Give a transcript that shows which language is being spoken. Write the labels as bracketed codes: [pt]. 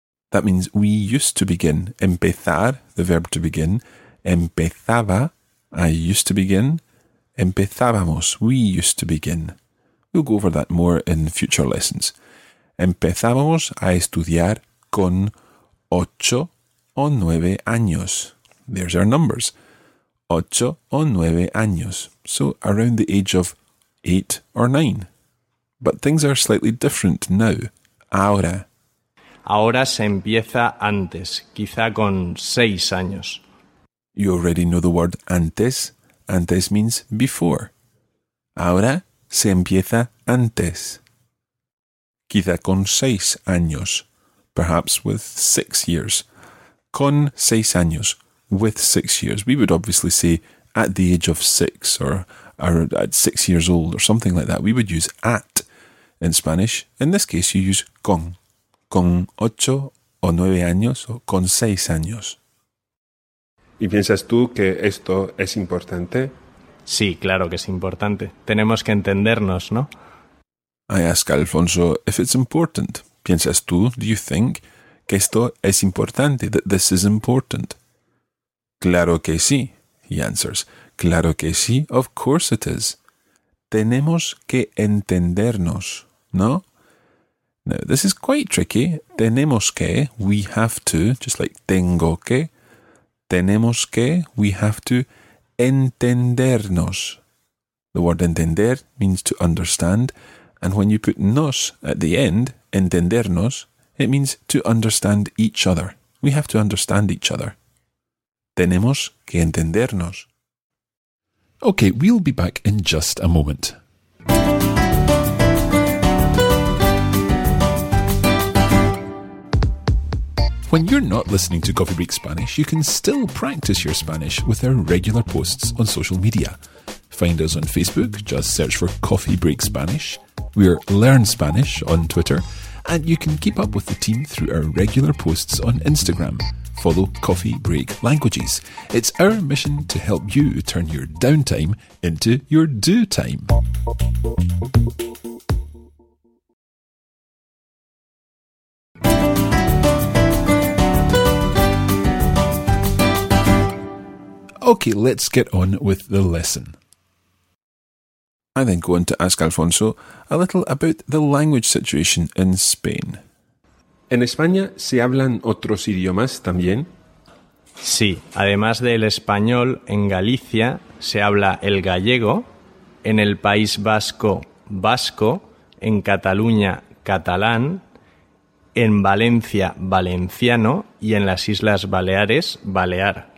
[en] That means we used to begin. Empezar, the verb to begin. Empezaba, I used to begin. Empezábamos, we used to begin. We'll go over that more in future lessons. [es] Empezábamos a estudiar con 8 o 9 años. [en] There's our numbers. [es] 8 o 9 años. [en] So around the age of 8 or 9. But things are slightly different now. [es] Ahora. Ahora se empieza antes, quizá con 6 años. [en] You already know the word antes. Antes means before. [es] Ahora se empieza antes. Quizá con 6 años. [en] Perhaps with 6 years. [es] Con 6 años. [en] With 6 years. We would obviously say at the age of 6 or at 6 years old or something like that. We would use at in Spanish. In this case, you use con. [es] Con 8 o 9 años o con 6 años. ¿Y piensas tú que esto es importante? Sí, claro que es importante. Tenemos que entendernos, ¿no? [en] I ask Alfonso if it's important. [es] ¿Piensas tú, [en] do you think, [es] que esto es importante, [en] that this is important? [es] Claro que sí, [en] he answers. Claro que sí, of course it is. [es] Tenemos que entendernos, ¿no? [en] Now, this is quite tricky. [es] Tenemos que, [en] we have to, just like [es] tengo que. Tenemos que, we have to, entendernos. [en] The word entender means to understand. And when you put nos at the end, entendernos, it means to understand each other. We have to understand each other. [es] Tenemos que entendernos. [en] Okay, we'll be back in just a moment. When you're not listening to Coffee Break Spanish, you can still practice your Spanish with our regular posts on social media. Find us on Facebook, just search for Coffee Break Spanish. We're Learn Spanish on Twitter. And you can keep up with the team through our regular posts on Instagram. Follow Coffee Break Languages. It's our mission to help you turn your downtime into your do time. Okay, let's get on with the lesson. I then go on to ask Alfonso a little about the language situation in Spain. [es] ¿En España se hablan otros idiomas también? Sí, además del español, en Galicia se habla el gallego, en el País Vasco, vasco, en Cataluña, catalán, en Valencia, valenciano y en las Islas Baleares, balear.